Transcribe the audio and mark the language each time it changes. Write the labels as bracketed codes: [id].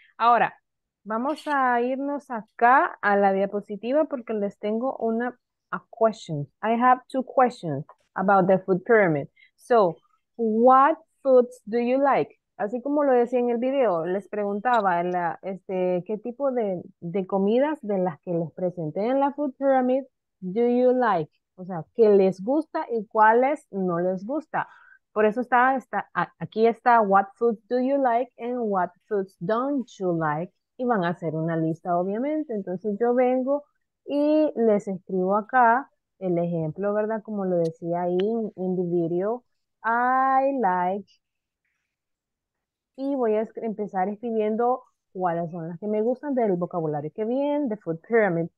[es] Ahora, vamos a irnos acá a la diapositiva porque les tengo una [en] a question. I have two questions about the food pyramid. So, what foods do you like? [es] Así como lo decía en el video, les preguntaba qué tipo de comidas de las que les presenté en la food pyramid [en] do you like? [es] O sea, ¿qué les gusta y cuáles no les gusta? Por eso está aquí, [en] what foods do you like and what foods don't you like? [es] Y van a hacer una lista, obviamente. Entonces yo vengo y les escribo acá el ejemplo, ¿verdad? Como lo decía ahí en el video, [en] I like. [es] Y voy a empezar escribiendo cuáles son las que me gustan del vocabulario que viene, the food pyramid.